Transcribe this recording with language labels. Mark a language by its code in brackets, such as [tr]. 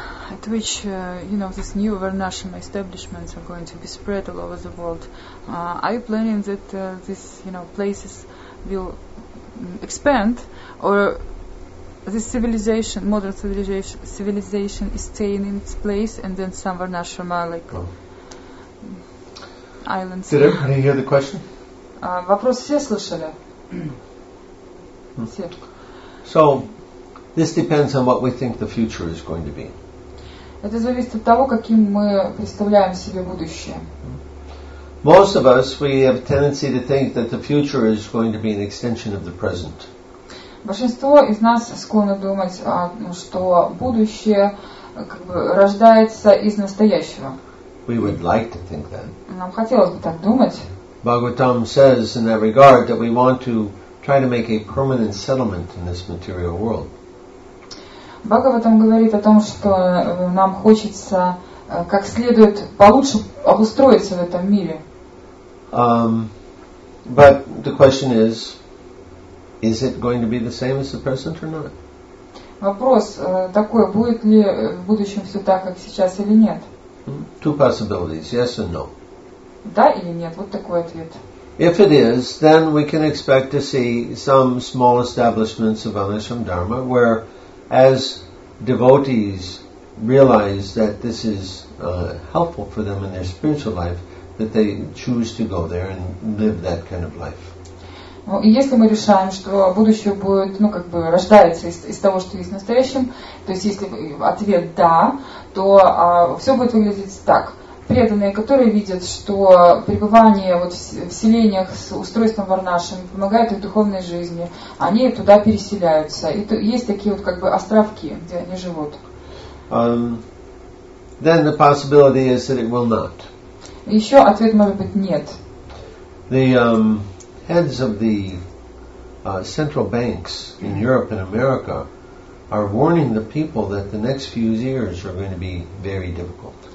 [en] at which you know this new varnashrama establishments are going to be spread all over the world, are you planning that these you know places will expand, or this civilization, modern civilization, is staying in its place, and then some varnashrama like islands. Did everybody hear the question? [ru] Вопрос все слышали? [en] So, this depends on what we think the future is going to be. [ru] Это зависит от того, каким мы представляем себе будущее. [en] Most of us, we have a tendency to think that the future is going to be an extension of the present. [ru] Большинство из нас склонны думать, что будущее как бы рождается из настоящего. [en] We would like to think that. [ru] Нам хотелось бы так думать. [en] Bhagavatam says in that regard that we want to try to make a permanent settlement in this material world. [ru] Бхагаватам говорит о том, что нам хочется как следует получше обустроиться в этом мире. [en] But the question is it going to be the same as the present or not? [ru] Вопрос такой, будет ли в будущем все так, как сейчас или нет? [en] Two possibilities, yes and no. [ru] Да или нет? Вот такой ответ. [en] If it is, then we can expect to see some small establishments of Anishram Dharma where as devotees realize that this is helpful for them in their spiritual life, that they choose to go there and live that kind of life. [ru] Ну, и если мы решаем, что будущее будет, ну, как бы, рождается из того, что есть в настоящем, то есть если ответ «да», то все будет выглядеть так. Преданные, которые видят, что пребывание вот в селениях с устройством варнашами помогает их духовной жизни, они туда переселяются. И то, есть такие вот как бы островки, где они живут. [en] Then the possibility is that it will not. [ru] Еще ответ может быть нет. [en] The heads of the central banks in Europe and America are warning the people that the next few years are going to be very difficult.